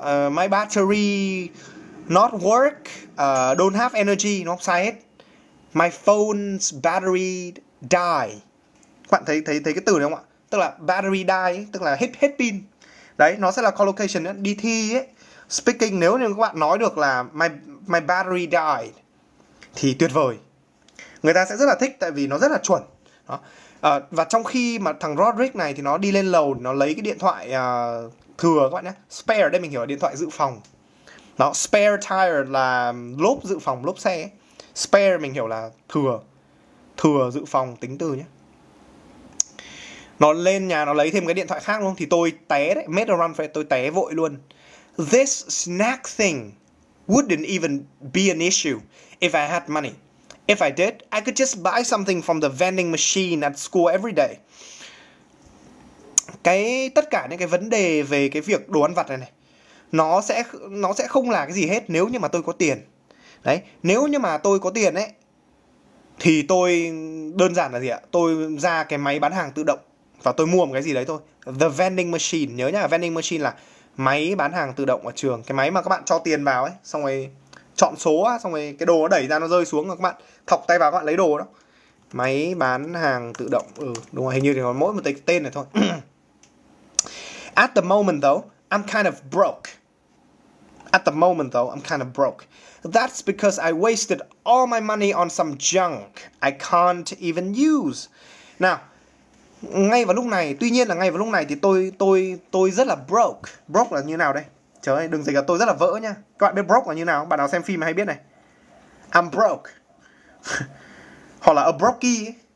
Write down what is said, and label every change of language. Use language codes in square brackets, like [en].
[en] My battery not work, don't have energy, [vi] đúng không? Sai hết. [en] My phone's battery die. [vi] Các bạn thấy cái từ này không ạ? Tức là battery die, tức là hết pin. Đấy, nó sẽ là collocation ấy. Đi thi ấy, speaking, nếu như các bạn nói được là [en] My battery died [vi] thì tuyệt vời. Người ta sẽ rất là thích tại vì nó rất là chuẩn. Đó. Và trong khi mà thằng Roderick này thì nó đi lên lầu, nó lấy cái điện thoại thừa các bạn nhé. Spare, đây mình hiểu là điện thoại dự phòng. Đó, spare tire là lốp dự phòng, lốp xe. Spare mình hiểu là thừa. Thừa dự phòng, tính từ nhé. Nó lên nhà nó lấy thêm cái điện thoại khác luôn. Thì tôi té đấy, [en] made a run for it, [vi] tôi té vội luôn. [en] This snack thing wouldn't even be an issue if I had money. If I did, I could just buy something from the vending machine at school every day. [vi] Cái tất cả những cái vấn đề về cái việc đồ ăn vặt này này, nó sẽ không là cái gì hết nếu như mà tôi có tiền. Đấy, nếu như mà tôi có tiền ấy thì tôi đơn giản là gì ạ? Tôi ra cái máy bán hàng tự động và tôi mua một cái gì đấy thôi. The vending machine, nhớ nhá, vending machine là máy bán hàng tự động ở trường, cái máy mà các bạn cho tiền vào ấy, xong rồi chọn số á, xong rồi cái đồ nó đẩy ra nó rơi xuống rồi các bạn thọc tay vào các bạn lấy đồ đó. Máy bán hàng tự động, ừ đúng rồi, hình như thì còn mỗi một cái tên này thôi. [en] At the moment though, I'm kind of broke. At the moment though, I'm kind of broke. That's because I wasted all my money on some junk I can't even use. [vi] Now, ngay vào lúc này, tuy nhiên là ngay vào lúc này thì tôi rất là broke. Broke là như nào đây? Trời ơi, đừng dịch là tôi rất là vỡ nhá. Các bạn biết broke là như nào không? Bạn nào xem phim hay biết này. [en] I'm broke. [vi] Hoặc là a brokey.